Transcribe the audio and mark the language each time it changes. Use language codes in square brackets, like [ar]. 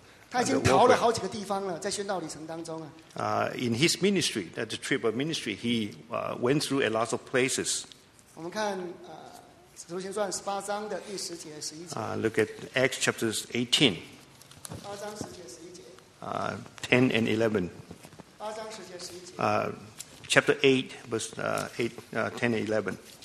[zh] 他已经逃了好几个地方了，在宣道旅程当中啊。 [en] In his ministry, at the trip of ministry, he went through a lot of places. [zh] 我们看《使徒行传》十八章的第十节、十一节。 [en] Look at Acts chapter 18. [zh] 八章十节、十一节。 [en] 10 and 11. [zh] 八章十节、十一节。 [en] Chapter 8, verse 10 and 11.